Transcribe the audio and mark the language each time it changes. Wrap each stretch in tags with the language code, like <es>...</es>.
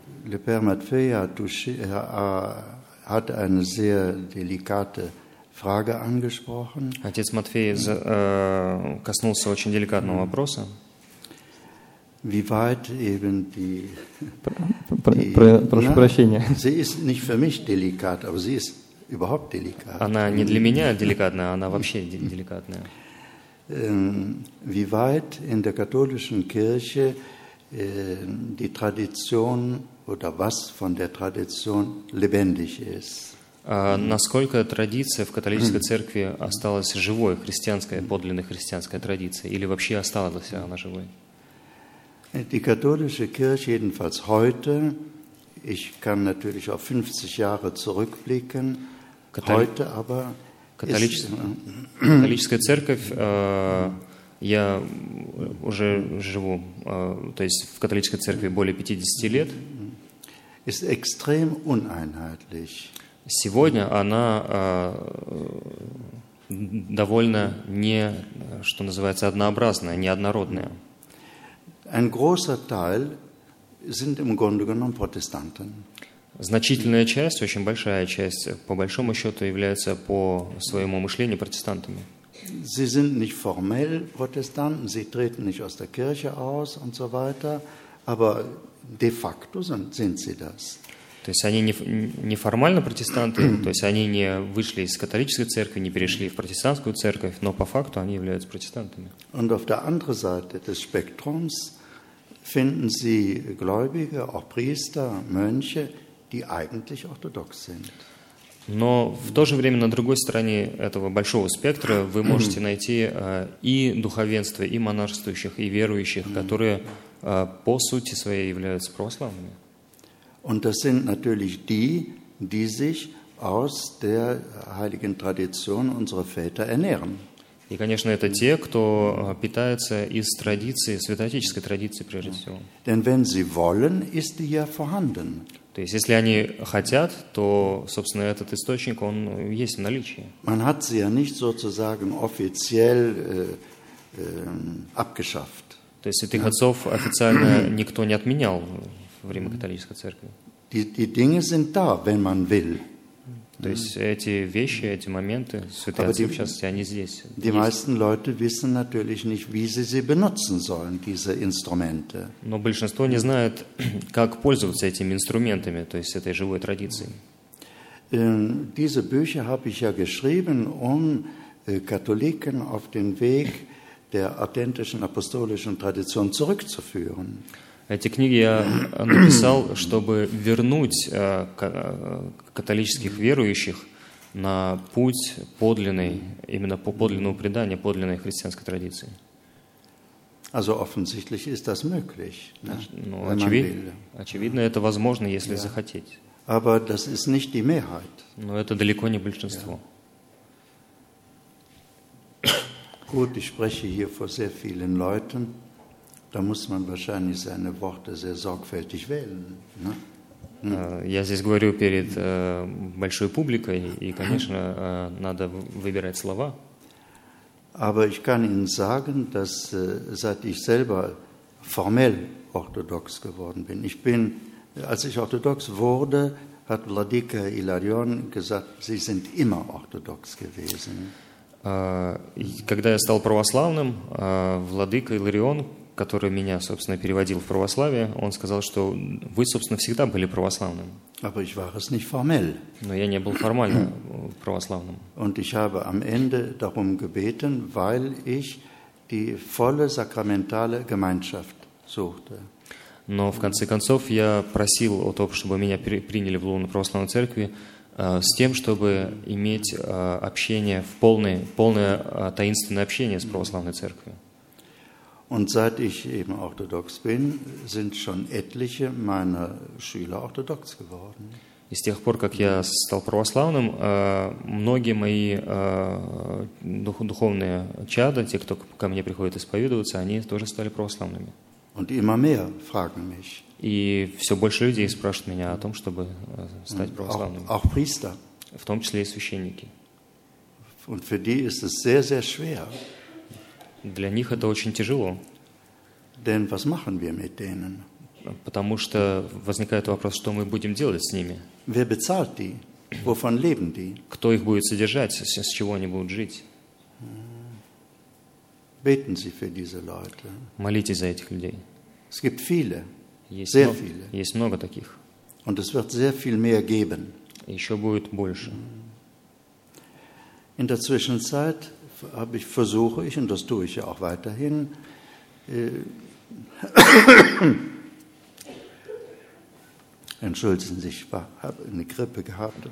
<fr>Le Père Matthieu a touché,</fr> <de>hat eine sehr delikate Frage angesprochen.</de> <ru>Отец Матфей коснулся очень деликатного вопроса.</ru> <de>Wie weit eben die,</de> <ru>прошу прощения.</ru> <de>Sie ist nicht für mich delikat, aber sie ist überhaupt delikat.</de> <ru>Она не для меня деликатная, она вообще деликатная.</ru> <de>Wie weit in der katholischen Kirche die Tradition oder was von der Tradition lebendig ist.</de> <ru>Насколько традиция в католической церкви осталась живой, христианская, подлинная христианская традиция, или вообще осталась она живой?</ru> <de>Die katholische Kirche jedenfalls heute, ich kann natürlich auf 50 Jahre zurückblicken, heute aber</de> <ru>католическая церковь, я уже живу, то есть в католической церкви более 50 лет.</ru> <de>Ist extrem uneinheitlich.</de> <ru>Сегодня она довольно не, что называется, однообразная, неоднородная.</ru> <de>Ein großer Teil sind im Grunde genommen Protestanten.</de> <ru>Значительная часть, очень большая часть, по большому счету, является по своему мышлению протестантами.</ru> <de>Sie sind nicht formell Protestanten, sie treten nicht aus der Kirche aus und so weiter, aber de facto sind sie das.</de> <ru>То есть они не формально протестанты, то есть они не вышли из католической церкви, не перешли в протестантскую церковь, но по факту они являются протестантами.</ru> <de>Und auf der anderen Seite des Spektrums finden Sie Gläubige, auch Priester, Mönche, die eigentlich orthodox sind.</de> <ru>Но в то же время на другой стороне этого большого спектра вы можете найти и духовенство, и монашествующих, и верующих, которые по сути своей являются православными.</ru> <de>Und das sind natürlich die, die sich aus der heiligen Tradition unserer Väter ernähren.</de> <ru>И, конечно, это те, кто питается из традиции, святоотеческой традиции прежде всего.</ru> <de>Denn wenn sie wollen, ist die ja vorhanden.</de> <ru>То есть, если они хотят, то, собственно, этот источник, он есть в наличии.</ru> <de>Man hat sie ja nicht sozusagen offiziell abgeschafft.</de> <ru>То есть, этих отцов официально никто не отменял во время католической церкви.</ru> <de>Die Dinge sind da, wenn man will.</de> <ru>То есть, эти вещи, эти моменты, святые отцы, в частности, они здесь.</ru> <de>Die meisten Leute wissen natürlich nicht, wie sie benutzen sollen, diese Instrumente.</de> <ru>Но большинство не знает, как пользоваться этими инструментами, то есть, этой живой традицией.</ru> <de>Diese Bücher habe ich ja geschrieben, um Katholiken auf den Weg der authentischen apostolischen Tradition zurückzuführen.</de> <ru>Эти книги я написал, чтобы вернуть католических верующих на путь подлинной, именно по подлинному преданию, подлинной христианской традиции.</ru> <de>Also offensichtlich ist das möglich,</de> <ru>ну, очевидно, это возможно, если захотеть.</ru> <de>Aber das ist nicht die Mehrheit.</de> <ru>Но это далеко не большинство.</ru> <de>Gut, ich spreche hier vor sehr vielen Leuten. Da muss man wahrscheinlich seine Worte sehr sorgfältig wählen. Ne?</de> <ru>Я здесь говорю перед большой публикой, и, конечно, надо выбирать слова.</ru> <de>Aber ich kann Ihnen sagen, dass seit ich selber formell orthodox geworden bin, ich bin, als ich orthodox wurde, hat Vladika Ilarion gesagt, Sie sind immer orthodox gewesen.</de> <ru>Когда я стал православным, Владыка Иларион который меня, собственно, переводил в православие, он сказал, что вы, собственно, всегда были православным.</ru> <de>Aber ich war es nicht formell.</de> <ru>Но я не был формально православным.</ru> <de>Und ich habe am Ende darum gebeten, weil ich die volle sakramentale Gemeinschaft suchte.</de> <ru>Но в конце концов я просил о том, чтобы меня приняли в лоно православной церкви, с тем, чтобы иметь общение в полное таинственное общение с православной церковью.</ru> <de>Und seit ich eben orthodox bin, sind schon etliche meiner Schüler orthodox geworden.</de> <ru>И с тех пор, как я стал православным, многие мои духовные чада, те, кто ко мне приходит исповедоваться, они тоже стали православными.</ru> <de>Und immer mehr fragen mich.</de> <ru>И все больше людей спрашивают меня о том, чтобы стать православным.</ru> <de>Auch Priester.</de> <ru>В том числе и священники.</ru> <de>Und für die ist es sehr, sehr schwer.</de> <ru>Для них это очень тяжело.</ru> <de>Denn was machen wir mit denen?</de> <ru>Потому что возникает вопрос, что мы будем делать с ними.</ru> <de>Wer bezahlt die? Wovon leben die?</de> <ru>Кто их будет содержать, с чего они будут жить?</ru> <de>Beten Sie für diese Leute.</de> <ru>Молитесь за этих людей.</ru> <de>Es gibt viele,</de> <ru>есть</ru> <de>sehr</de> <ru>много,</ru> <de>viele.</de> <ru>Есть много таких.</ru> <de>Und es wird sehr viel mehr geben.</de> <ru>Еще будет больше.</ru> <de>In der Zwischenzeit versuche ich, und das tue ich ja auch weiterhin, entschuldigen Sie, ich habe eine Grippe gehabt.</de>